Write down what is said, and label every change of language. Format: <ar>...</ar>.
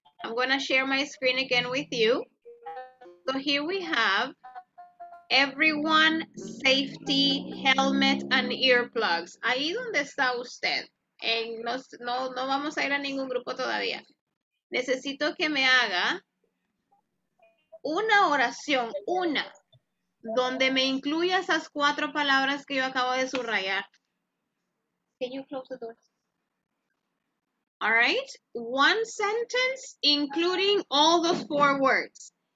<en>I'm going to share my screen again with you. So here we have everyone, safety, helmet, and earplugs.</en> <es>Ahí donde está usted. No vamos a ir a ningún grupo todavía. Necesito que me haga una oración, una, donde me incluya esas cuatro palabras que yo acabo de subrayar.</es> <en>Can you close the door? All right, one sentence including all those four words.</en>